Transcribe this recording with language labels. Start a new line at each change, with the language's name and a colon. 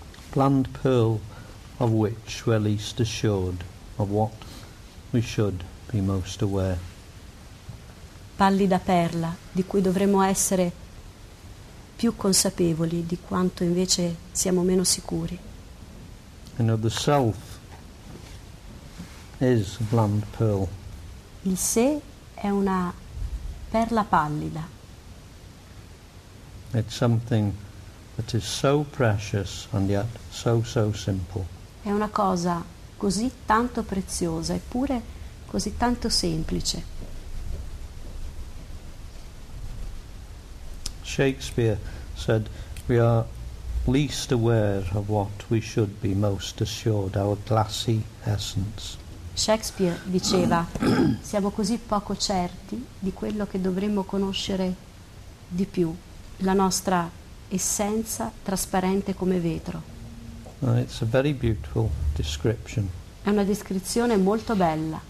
English: Bland pearl of which we're least assured of what we should be most aware.
Italian: Pallida perla di cui dovremmo essere più consapevoli di quanto invece siamo meno sicuri.
English: You know, the self is bland pearl.
Italian: Il sé è una perla pallida.
English: It's something that is so precious and yet so so simple.
Italian: È una cosa così tanto preziosa eppure così tanto semplice.
English: Shakespeare said we are least aware of what we should be most assured, our glassy essence.
Italian: Shakespeare diceva siamo così poco certi di quello che dovremmo conoscere di più, la nostra essenza trasparente come vetro.
English: It's a very beautiful description.
Italian: È una descrizione molto bella.